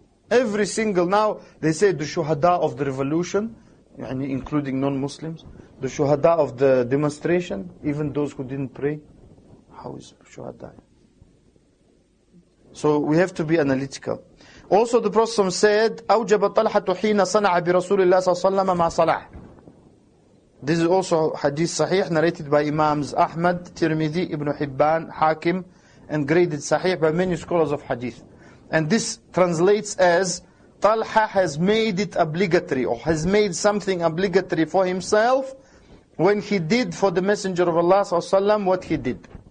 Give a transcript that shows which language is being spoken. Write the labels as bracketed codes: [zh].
[en] Every single, now they say the shuhada of the revolution, including non-Muslims, the shuhada of the demonstration, even those who didn't pray. How is shuhada? So we have to be analytical. Also, the Prophet said, [ar] "أوجب طلحة حين صنع برسول الله صلى الله عليه وسلم ما صلح." [en] This is also hadith sahih, narrated by Imams Ahmad, Tirmidhi, Ibn Hibban, Hakim, and graded sahih by many scholars of hadith. And this translates as, Talha has made it obligatory, or has made something obligatory for himself, when he did for the Messenger of Allah صلى الله عليه وسلم what he did.